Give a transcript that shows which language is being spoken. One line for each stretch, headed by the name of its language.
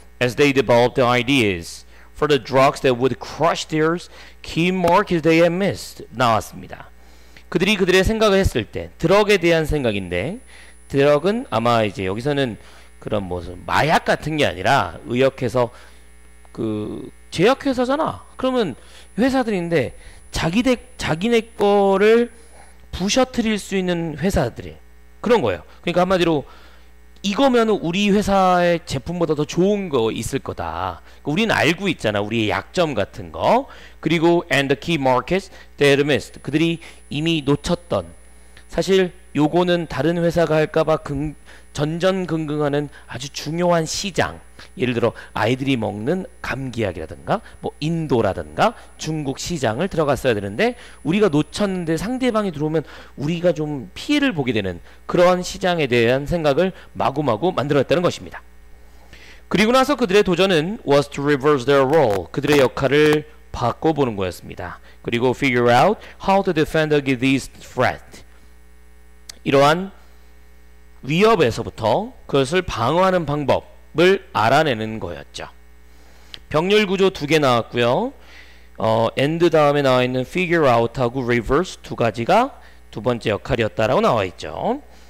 English: As they developed the ideas for the drugs that would crush their key markets they had missed
Korean: 나왔습니다. 그들이 그들의 생각을 했을 때 드럭에 대한 생각인데 드럭은 아마 이제 여기서는 그런 무슨 마약 같은 게 아니라 의역해서 그 제약회사잖아. 그러면 회사들인데 자기네 거를 부셔트릴 수 있는 회사들이 그런 거예요. 그러니까 한마디로 이거면 우리 회사의 제품보다 더 좋은 거 있을 거다. 그러니까 우리는 알고 있잖아. 우리의 약점 같은 거. 그리고
English: and the key markets they had missed.
Korean: 그들이 이미 놓쳤던 사실 요거는 다른 회사가 할까 봐 전전긍긍하는 아주 중요한 시장. 예를 들어 아이들이 먹는 감기약이라든가 뭐 인도라든가 중국 시장을 들어갔어야 되는데 우리가 놓쳤는데 상대방이 들어오면 우리가 좀 피해를 보게 되는 그러한 시장에 대한 생각을 마구마구 만들었다는 것입니다.
English: 그리고 나서
Korean: 그들의 도전은
English: was to reverse their role.
Korean: 그들의 역할을 바꿔보는 거였습니다. 그리고
English: figure out how to defend against this threat.
Korean: 이러한 위협에서부터 그것을 방어하는 방법 을 알아내는 거였죠. 병렬 구조 두 개 나왔고요. end 다음에 나와 있는 figure out 하고 reverse 두 가지가 두 번째 역할이었다라고 나와 있죠.